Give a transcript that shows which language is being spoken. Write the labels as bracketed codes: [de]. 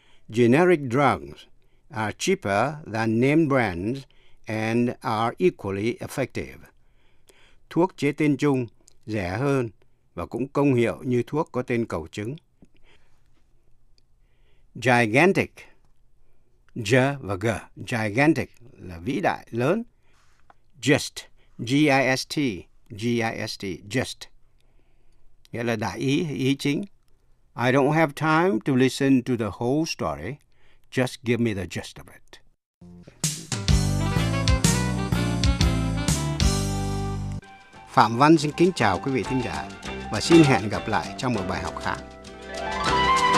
[en] Generic drugs are cheaper than name brands and are equally effective. [vi] Thuốc chế tên chung rẻ hơn và cũng công hiệu như thuốc có tên cầu chứng. Gigantic, G và G, gigantic là vĩ đại, lớn. Gist, G-I-S-T, G-I-S-T, gist, nghĩa là đại ý, ý chính. [en] I don't have time to listen to the whole story, just give me the gist of it. [vi] Phạm Văn xin kính chào quý vị thính giả và xin hẹn gặp lại trong một bài học khác.